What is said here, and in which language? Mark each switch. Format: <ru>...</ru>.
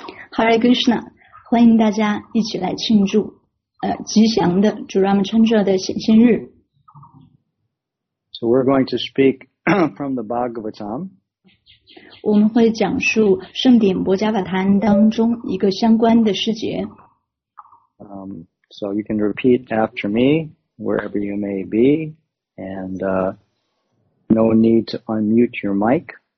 <zh>Hare Krishna，欢迎大家一起来庆祝，吉祥的主 Ramachandra 的显现日。</zh> <en>So we're going to speak from the Bhagavatam.</en> <zh>我们会讲述圣典波迦瓦坛当中一个相关的事节。</zh> <en>So you can repeat after me, wherever you may be, and no need to unmute your mic.</en>